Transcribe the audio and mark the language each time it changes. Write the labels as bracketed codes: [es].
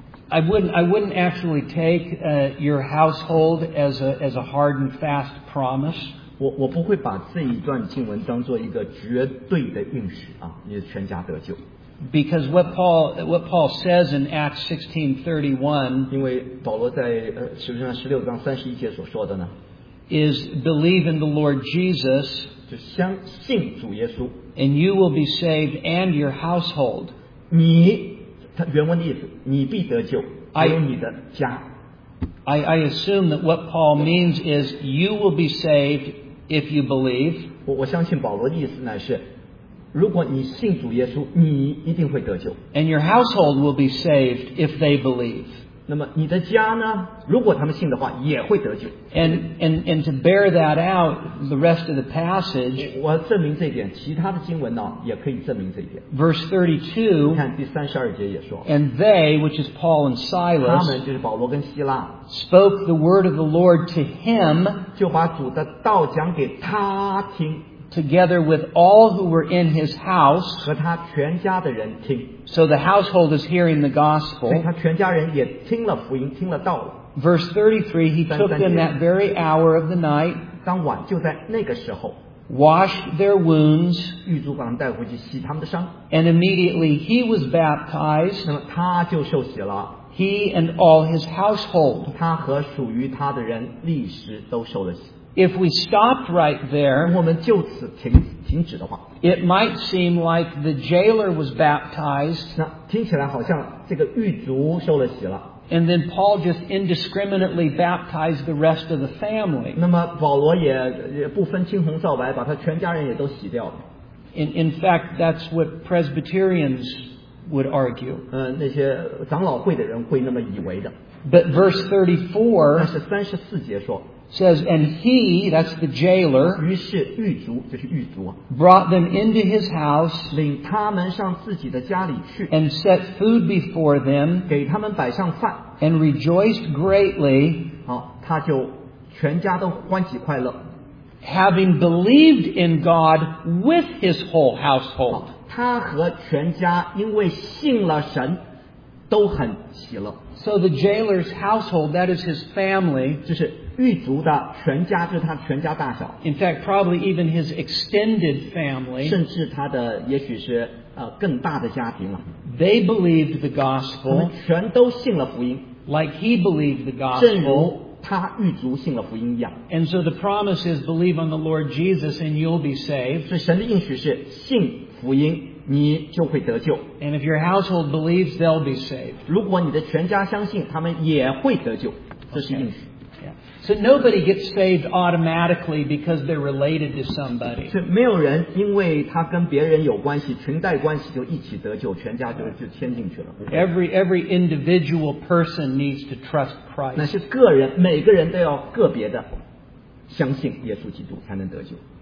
[en] I wouldn't actually take your household as a hard and fast promise. [zh] 我不会把这一段经文当做一个绝对的应许啊，你的全家得救。 [en] Because what Paul says in Acts 16:31, [zh] 因为保罗在使徒行传十六章三十一节所说的呢 [en] ，is believe in the Lord Jesus, [zh] 就相信主耶稣 [en] ，and you will be saved and your household. [zh] 你原文的意思，你必得救，还有你的家。 [en] I assume that what Paul means is you will be saved if you believe. [zh] 我相信保罗的意思呢是，如果你信主耶稣，你一定会得救。 [en] And your household will be saved if they believe. [zh] 那么你的家呢？如果他们信的话，也会得救。 [en] And to bear that out, the rest of the passage. [zh] 我证明这一点，其他的经文呢也可以证明这一点。 [en] Verse 32. [zh] 看第三十二节也说。 [en] And they, which is Paul and Silas, [zh] 他们就是保罗跟希拉 [en] spoke the word of the Lord to him, [zh] 就把主的道讲给他听。 [en] Together with all who were in his house, [zh] 和他全家的人听。 [en] So the household is hearing the gospel. [zh] 所以他全家人也听了福音，听了道了。 [en] Verse 33, he took them that very hour of the night, [zh] 当晚就在那个时候 [en] washed their wounds, [zh] 狱卒把他们带回去洗他们的伤 [en] and immediately he was baptized, [zh] 那么他就受洗了 [en] he and all his household, [zh] 他和属于他的人立时都受了洗 [en] If we stopped right there, [zh] 我们就此停止的话 [en] it might seem like the jailer was baptized, [zh] 那听起来好像这个狱卒受了洗了 [en] And then Paul just indiscriminately baptized the rest of the family. [zh] 那么保罗也不分青红皂白，把他全家人也都洗掉了。 [en] In fact, that's what Presbyterians would argue. [zh] 那些长老会的人会那么以为的。 [en] But verse 34, [zh] 但是34节说 [en] says, and he, that's the jailer, [zh] 于是狱卒，就是狱卒啊， [en] brought them into his house, [zh] 领他们上自己的家里去， [en] and set food before them, [zh] 给他们摆上饭， [en] and rejoiced greatly, [zh] 好，他就全家都欢喜快乐， [en] having believed in God with his whole household. [zh] 他和全家因为信了神都很喜乐。 [en] So the jailer's household, that is his family, [zh] 就是狱卒的全家，就是他全家大小。 [en] In fact, probably even his extended family, [zh] 甚至他的也许是更大的家庭了。 [en] They believed the gospel, [zh] 他们全都信了福音。 [en] Like he believed the gospel, [zh] 他狱卒信了福音一样。 [en] And so the promise is, believe on the Lord Jesus and you'll be saved. [zh] 所以神的应许是信福音你就会得救。 [en] And if your household believes, they'll be saved. [zh] 如果你的全家相信他们也会得救，这是应许。 [en] okay. Yeah. So nobody gets saved automatically because they're related to somebody. [zh] 所以没有人因为他跟别人有关系，裙带关系就一起得救，全家 就牵进去了。 [en] Every individual person needs to trust Christ. [zh] 那是个人，每个人都要个别的相信耶稣基督才能得救。